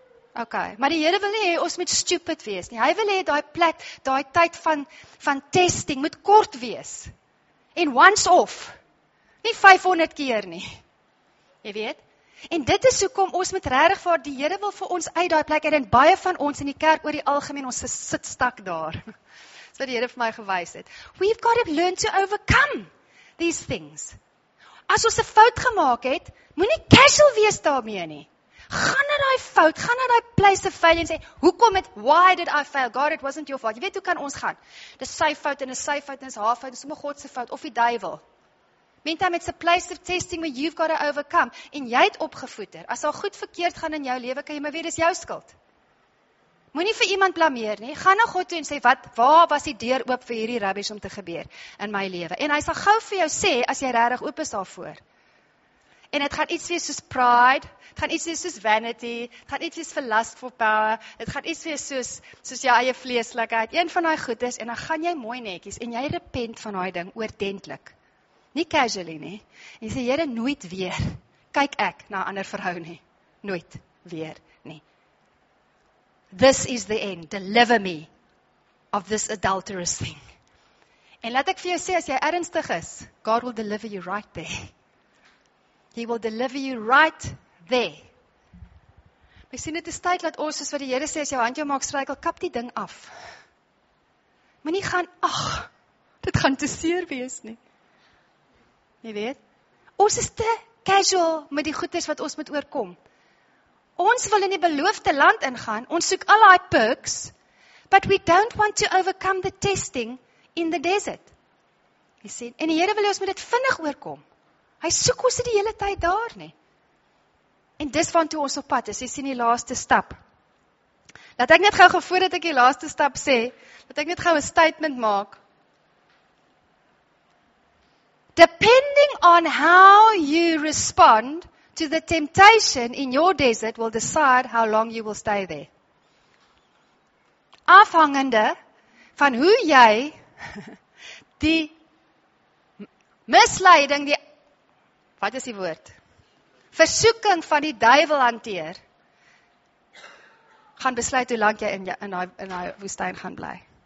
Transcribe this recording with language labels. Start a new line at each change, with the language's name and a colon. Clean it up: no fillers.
Afrikaans: Oké, okay, maar die Here wil nie hê ons moet stupid wees nie. Hy wil hê daai plek, daai tyd van testing moet kort wees. En once off, nie 500 keer nie, jy weet. En dit is hoekom ons moet regtig waar die Here wil vir ons uit daai plek uit, en baie van ons in die kerk oor die algemeen, ons sit stak daar. Dis wat die Here vir my gewys het.
English: We've got to learn to overcome these things.
Afrikaans: As ons 'n fout gemaak het, moenie casual wees daarmee nie. Gaan na daai fout, gaan na daai place of failure en sê, hoekom het,
English: why did I fail? God, it wasn't your fault.
Afrikaans: Jy weet, hoe kan ons gaan? Dis sy fout, en is sy fout, en is haar fout, en sommer God se fout, of die duivel.
English: Meantime, it's a place of testing where you've got to overcome.
Afrikaans: En jy het opgevoeder. As al goed verkeerd gaan in jou lewe, kan jy maar weer, dis jou skuld. Moet nie vir iemand blameer nie. Gaan na God toe en sê, wat, waar was die deur oop vir hierdie rubbish om te gebeur in my lewe? En hy sal gou vir jou sê, as jy regtig oop is daarvoor. En het gaan iets wees soos pride, het gaan iets wees soos vanity, het gaan iets wees vir lust for power, het gaan iets wees soos jou eie vleeslikheid. Een van die goed is, en dan gaan jy mooi netjies, en jy repent van die ding oordentlik. Nie casually nie. En jy sê, Here, nooit weer, kyk ek na ander verhou nie. Nooit weer nie.
English: This is the end, deliver me of this adulterous thing.
Afrikaans: En laat ek vir jou sê, as jy ernstig is,
English: God will deliver you right there. He will deliver you right there.
Afrikaans: My sien het is tyd, laat ons, soos wat die Here sê, as jou hand jou maak struikel, kap die ding af. Moet nie gaan, ach, dit gaan te seer wees nie. Jy weet, ons is te casual met die goeders wat ons moet oorkom. Ons wil in die beloofde land ingaan, ons soek al die perks,
English: but we don't want to overcome the testing in the desert.
Afrikaans: Jy sien, en die Here wil ons met dit vinnig oorkom. Hy soek ons die hele tyd daar nie. En dis van toe ons op pad is. Jy sien die laaste stap. Laat ek net gou voordat ek die laaste stap sê, laat ek net gou 'n statement maak.
English: Depending on how you respond to the temptation in your desert will decide how long you will stay there.
Afrikaans: Afhangende van hoe jy die misleiding, die wat is die woord? Versoeking van die duivel hanteer, gaan besluit hoe lang jy in die woestijn gaan bly.